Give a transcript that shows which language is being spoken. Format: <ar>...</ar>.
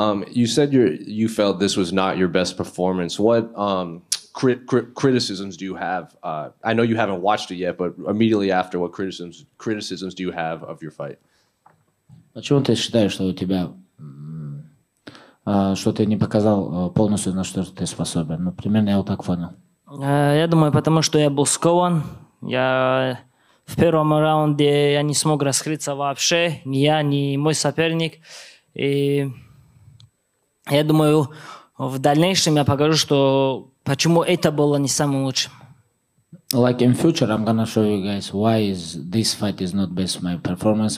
<en>You said you felt this was not your best performance. What criticisms do you have? I know you haven't watched it yet, but immediately after, what criticisms do you have of your fight?</en> <ru>Почему ты считаешь, что у тебя что ты не показал полностью, на что ты способен? Ну, примерно я вот так понял. Я думаю, потому что я был скован. Я в первом раунде я не смог раскрыться вообще. Ни я, ни мой соперник. И я думаю, в дальнейшем я покажу, что почему это было не самым лучшим.</ru> <en>Like in future, I'm gonna show you guys why is this fight is not best my performance.</en>